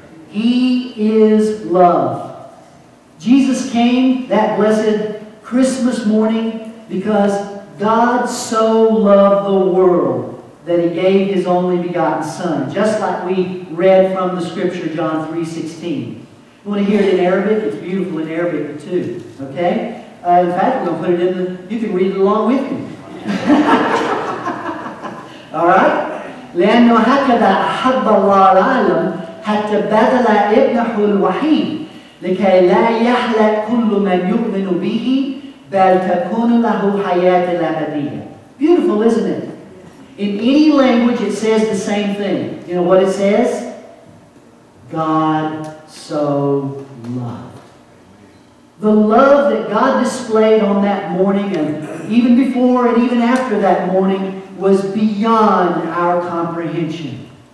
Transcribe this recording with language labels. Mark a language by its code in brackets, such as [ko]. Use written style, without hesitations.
[en] He is love. Jesus came that blessed Christmas morning because God so loved the world that he gave his only begotten Son, just like we read from the scripture, John 3:16. You want to hear it in Arabic? It's beautiful in Arabic too, okay? In fact, we're going to put it in the, you can read it along with me. Alright? [ar] لأنه هكذا أحب الله العالم حتى بذل ابنه الوحيد لكي لا يحلق كل من يؤمن به بل تكون له حياة الأبدية. [en] Beautiful, isn't it? In any language, it says the same thing. You know what it says? God so loved. The love that God displayed on that morning, and even before and even after that morning, was beyond our comprehension.